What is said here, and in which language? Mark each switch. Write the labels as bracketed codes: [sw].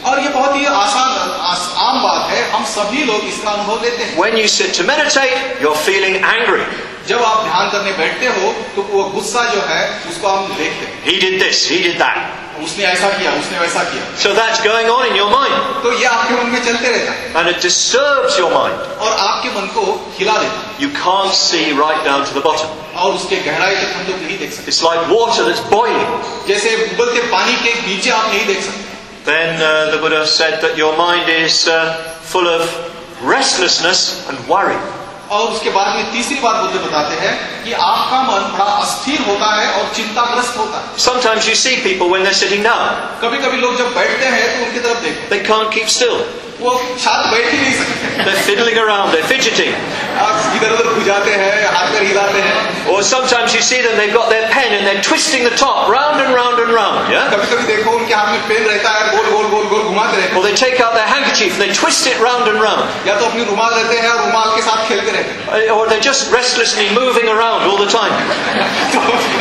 [hi] और ये बहुत ही आसान आम बात है. हम सभी लोग इसका अनुभव लेते हैं. [en] When you sit to meditate, you're feeling angry. [hi] जब आप ध्यान करने बैठते हो तो वो गुस्सा जो है उसको हम देखते हैं. [en] He did this, he did that. [hi] उसने ऐसा किया, उसने वैसा किया. [en] So that's going on in your mind. [hi] तो ये आपके मन में चलते रहता है. [en] And it disturbs your mind. [hi] और आपके मन को खिला देता है. [en] You can't see right down to the bottom. [hi] और उसके गहराई तक हम लोग नहीं देख सकते. [en] It's like water that's boiling. [hi] जैसे उबलते पानी के नीचे आप नहीं देख सकते. [en] then the Buddha said that your mind is full of restlessness and worry. [hi] और उसके बाद में तीसरी बार बुद्ध बताते हैं कि आपका मन बड़ा अस्थिर होता है और चिंताग्रस्त होता है. [en] Sometimes you see people when they're sitting down. [hi] कभी-कभी लोग जब बैठते हैं तो उनकी तरफ देखो. [en] They can't keep still. [hi] वो साथ बैठ ही नहीं सकते. [en] They're fiddling around, they're fidgeting. [hi] इधर-उधर घुमाते हैं, हाथ पैर हिलाते हैं. [en] Or sometimes you see them, they've got their pen and they're twisting the top round and round and round. Yeah? [hi] कभी-कभी देखो उनके हाथ में पेन रहता है, गोल गोल गोल गोल घुमाते रहते. [en] Or they take out their handkerchief and they twist it round and round. [hi] या तो अपने रुमाल लेते हैं और रुमाल के साथ खेलते. [en] Or they're just restlessly moving around all the time.